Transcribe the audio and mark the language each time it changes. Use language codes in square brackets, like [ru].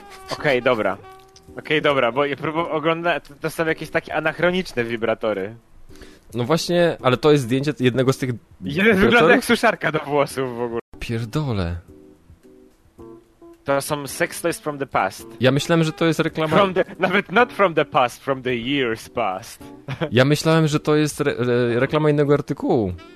[pl] Okej, dobra, bo to są jakieś takie anachroniczne wibratory. No właśnie, ale to jest zdjęcie jednego z tych... Jeden wygląda jak suszarka do włosów w ogóle. Pierdole. To są [en] sex toys from the past. [pl] Ja myślałem, że to jest reklama... Nawet [en] not from the past, from the years past. [pl] Ja myślałem, że to jest reklama innego artykułu.